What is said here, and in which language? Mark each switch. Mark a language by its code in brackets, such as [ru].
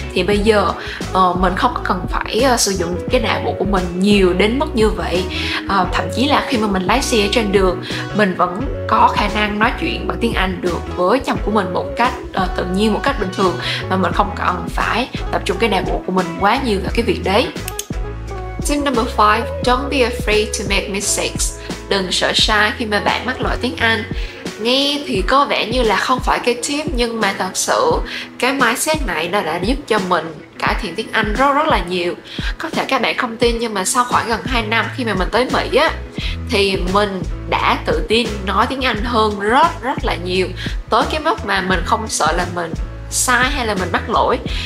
[vi] Thì bây giờ mình không cần phải sử dụng cái não bộ của mình nhiều đến mức như vậy. Thậm chí là khi mà mình lái xe trên đường, mình vẫn có khả năng nói chuyện bằng tiếng Anh được với chồng của mình một cách tự nhiên, một cách bình thường, mà mình không cần phải tập trung cái não bộ của mình quá nhiều vào cái việc đấy. [en] Tip number 5: don't be afraid to make mistakes. [vi] Đừng sợ sai khi mà bạn mắc lỗi tiếng Anh. Nghe thì có vẻ như là không phải cái tip, nhưng mà thật sự cái mindset này nó đã giúp cho mình cải thiện tiếng Anh rất là nhiều. Có thể các bạn không tin nhưng mà sau khoảng gần 2 năm khi mà mình tới Mỹ á, thì mình đã tự tin nói tiếng Anh hơn rất là nhiều, tới cái mức mà mình không sợ là mình sai hay là mình mắc lỗi.